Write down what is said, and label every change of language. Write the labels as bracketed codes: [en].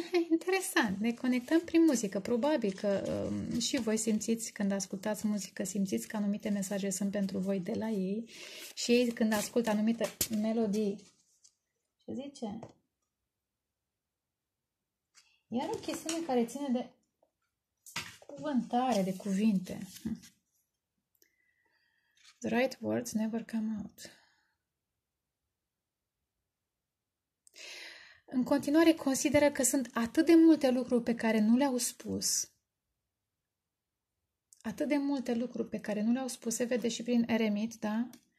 [ro] Interesant, ne conectăm prin muzică. Probabil că și voi simțiți când ascultați muzică, simțiți că anumite mesaje sunt pentru voi de la ei și ei când ascultă anumite melodii. Ce zice? Iar o chestiune care ține de cuvântare, de cuvinte. [en] The right words never come out. [ro] În continuare consideră că sunt atât de multe lucruri pe care nu le-au spus. Atât de multe lucruri pe care nu le-au spus, se vede și prin eremit, da?